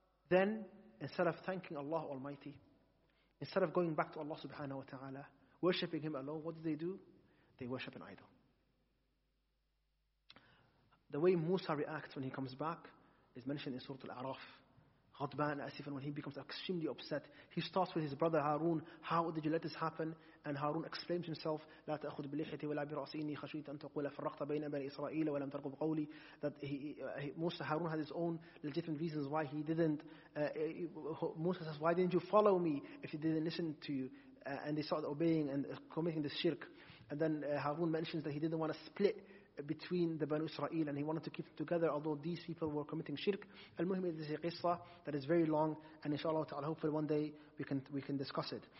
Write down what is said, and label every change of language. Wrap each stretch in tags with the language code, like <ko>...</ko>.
<en>Then, instead of thanking Allah Almighty, instead of going back to Allah subhanahu wa ta'ala, worshipping Him alone, what do? They worship an idol. The way Musa reacts when he comes back is mentioned in Surah Al-A'raf.</en> <ar>Ghadban, Asifan,</ar> <en>when he becomes extremely upset, he starts with his brother Harun, how did you let this happen? And Harun exclaims himself,</en> <ar>لا تأخذ بلحيتي ولا برأسي إني خشيت أن تقول فرقت بين بني إسرائيل ولم ترقب قولي.</ar> <en>That Musa, Harun had his own legitimate reasons why he didn't. Musa says, why didn't you follow me if he didn't listen to you? And they started obeying and committing this shirk. And then Harun mentions that he didn't want to split between the Banu Israel, and he wanted to keep it together, although these people were committing shirk. Al-Muhim is a qissa that is very long, and inshallah ta'ala, hopefully one day we can discuss it.</en>